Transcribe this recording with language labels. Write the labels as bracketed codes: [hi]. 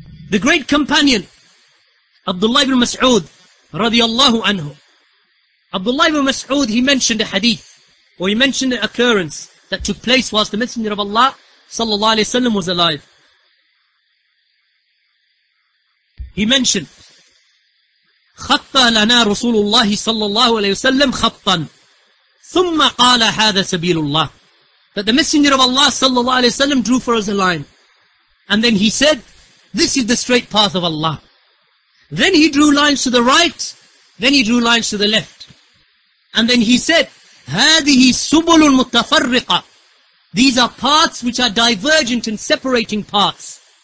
[en] The great companion, Abdullah ibn Mas'ud, radiallahu anhu. Abdullah ibn Mas'ud, he mentioned a hadith, or he mentioned an occurrence that took place whilst the Messenger of Allah, sallallahu alayhi wa sallam, was alive. He mentioned, [ar] خَطَّ لَنَا رُسُولُ اللَّهِ صَلَّى اللَّهُ عَلَيْهِ وَسَلَّمْ خَطًّا ثُمَّ قَالَ هَذَا سَبِيلُ اللَّهِ. [en] That the Messenger of Allah, sallallahu alayhi wa sallam, drew for us a line. And then he said, this is the straight path of Allah. Then he drew lines to the right, then he drew lines to the left. And then he said, [ar] هَذِهِ سُبُلُ الْمُتَّفَرِّقَ. [en] These are paths which are divergent and separating paths.